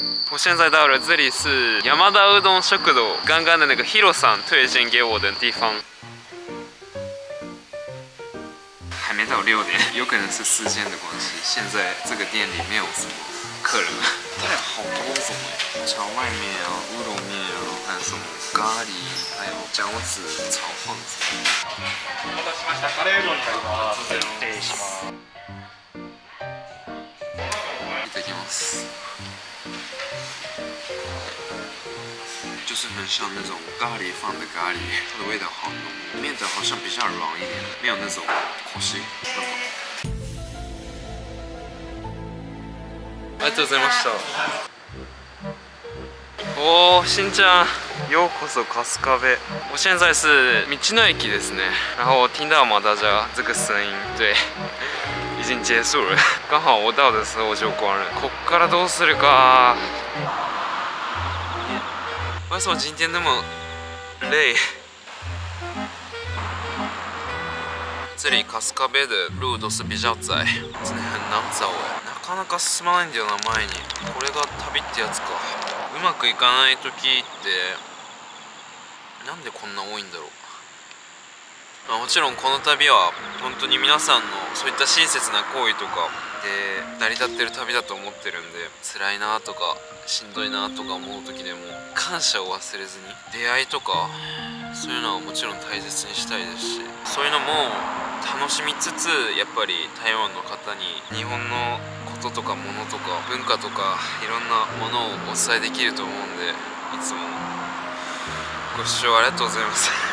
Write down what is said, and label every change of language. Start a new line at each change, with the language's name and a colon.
Chinese: 我现在到了这里是山田うどん食堂。刚刚的那个Hiro さん推荐给我的地方。还没到六点，有可能是时间的关系。现在这个店里没有什么客人。对，好多种哎，荞麦面啊，乌龙面啊，还有什么咖喱，还有饺子、炒饭子。
Japanese: お待たせしました。カレーうどんになります。失礼します。いただきます。
Chinese: 就是很像那种咖喱饭的咖喱，它的味道好浓，面条好像比较软一点，没有那种口水。
Japanese: ありがとうございました。おー、しんちゃん、ようこそ春日部。
Chinese: 我现在是
Japanese: 道の駅ですね。
Chinese: 然后我听到马大家这个声音，对。已经结束了。刚好我到的时候就关了。
Japanese: こっからどうするか。
Chinese: 为什么今天那么累？这里カスカベ的路都是比较窄，真的很难走哎。
Japanese: なかなか進まないんだよな前に。これが旅ってやつか。うまくいかない時ってなんでこんな多いんだろう。まあ、もちろんこの旅は本当に皆さんのそういった親切な行為とかで成り立ってる旅だと思ってるんで、辛いなとかしんどいなとか思う時でも感謝を忘れずに、出会いとかそういうのはもちろん大切にしたいですし、そういうのも楽しみつつ、やっぱり台湾の方に日本のこととか物とか文化とかいろんなものをお伝えできると思うんで、いつもご視聴ありがとうございます。